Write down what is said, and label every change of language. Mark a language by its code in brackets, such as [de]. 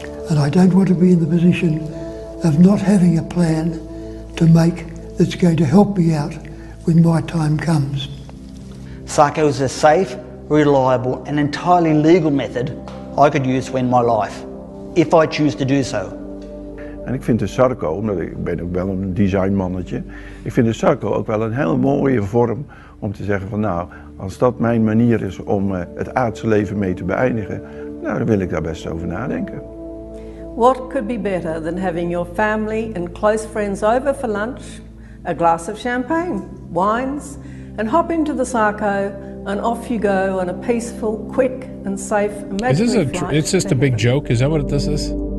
[en] And I don't want to be in the position of not having a plan to make that's going to help me out when my time comes. Sars-Cov is a safe, reliable, and entirely legal method I could use to end my life, if I choose to do so. [nl] En ik vind de Sars-Cov, omdat ik ben ook wel een designmannetje, ik vind de Sars-Cov ook wel een hele mooie vorm om te zeggen van nou, als dat mijn manier is om het aardse leven mee te beëindigen, nou dan wil ik daar best over nadenken. [en] What could be better than having your family and close friends over for lunch, a glass of champagne, wines, and hop into the Sars-Cov, and off you go on a peaceful, quick, and safe imaginary flight. It's just a big joke. Is that what this is?